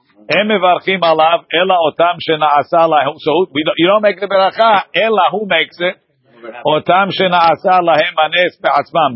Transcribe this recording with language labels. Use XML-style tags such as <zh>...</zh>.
<he>הם מברכים עליו, אלא אותם שנעשה להם.</he> <en>So you don't make the ברכה, אלא who makes it?</en> <he>אותם שנעשה להם הנס בעצמם.</he>